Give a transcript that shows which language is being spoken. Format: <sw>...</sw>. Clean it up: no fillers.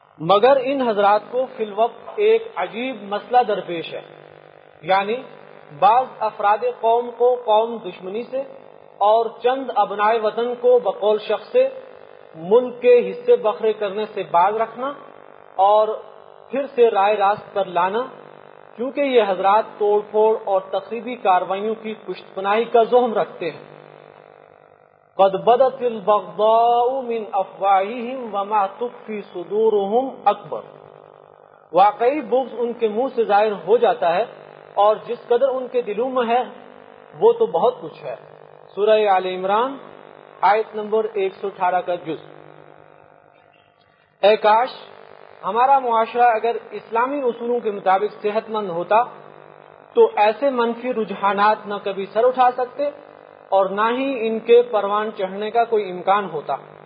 <ur>مگر ان حضرات کو فی الوقت ایک عجیب مسئلہ درپیش ہے، یعنی بعض افراد قوم کو قوم دشمنی سے اور چند ابنائے وطن کو بقول شخص سے ملک کے حصے بکھرے کرنے سے باز رکھنا اور پھر سے رائے راست پر لانا، کیونکہ یہ حضرات توڑ پھوڑ اور تقریبی کاروائیوں کی پشت پناہی کا زہم رکھتے ہیں.</ur> <ar>قد بدت البغضاء من افواههم وما تخفي صدورهم اکبر.</ar> <ur>واقعی بغض ان کے منہ سے ظاہر ہو جاتا ہے، اور جس قدر ان کے دلوں میں ہے وہ تو بہت کچھ ہے. سورہ آل عمران آیت نمبر 118 کا جز. اے کاش ہمارا معاشرہ اگر اسلامی اصولوں کے مطابق صحت مند ہوتا تو ایسے منفی رجحانات نہ کبھی سر اٹھا سکتے اور نہ ہی ان کے پروان چڑھنے کا کوئی امکان ہوتا.</ur>